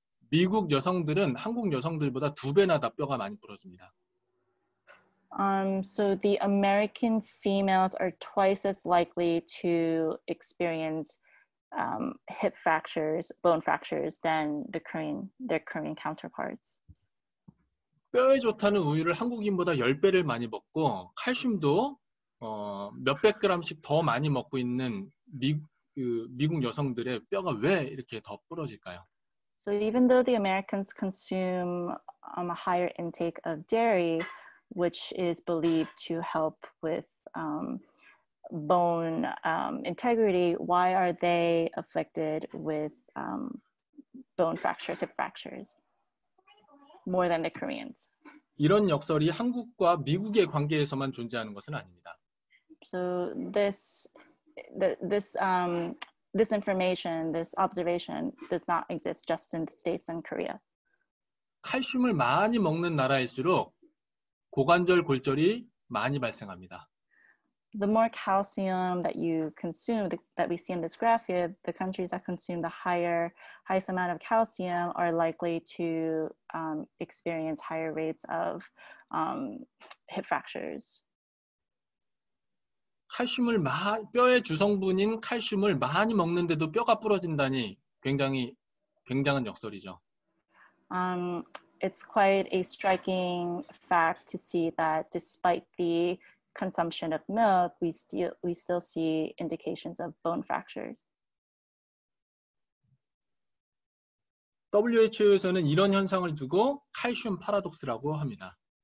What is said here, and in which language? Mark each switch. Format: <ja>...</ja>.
<ko>미국 여성들은 한국 여성들보다 두 배나 더 뼈가 많이 부러집니다.</ko> <en>So the American females are twice as likely to experience hip fractures, bone fractures than the Korean their Korean counterparts.</en> <ko>뼈에 좋다는 우유를 한국인보다 10배를 많이 먹고 칼슘도 몇백 그램씩 더 많이 먹고 있는 미국 여성들의 뼈가 왜 이렇게 더 부러질까요?</ko> <en>So even though the Americans consume a higher intake of dairy, which is believed to help with bone integrity, why are they afflicted with bone fractures, hip fractures, more than the Koreans?</en> <ko>이런 역설이 한국과 미국의 관계에서만 존재하는 것은 아닙니다.</ko> <en>So this information, this observation does not exist just in the States and Korea.</en> <ko>칼슘을 많이 먹는 나라일수록 고관절 골절이 많이 발생합니다.</ko> <en>The more calcium that you consume, that we see in this graph here, the countries that consume the highest amount of calcium are likely to experience higher rates of hip fractures.</en> <ko>칼슘을 뼈의 주성분인 칼슘을 많이 먹는데도 뼈가 부러진다니 굉장한 역설이죠.</ko> <en>It's quite a striking fact to see that despite the consumption of milk, we still see indications of bone fractures.</en> <ko>WHO에서는 이런 현상을 두고 칼슘 파라독스라고 합니다.</ko>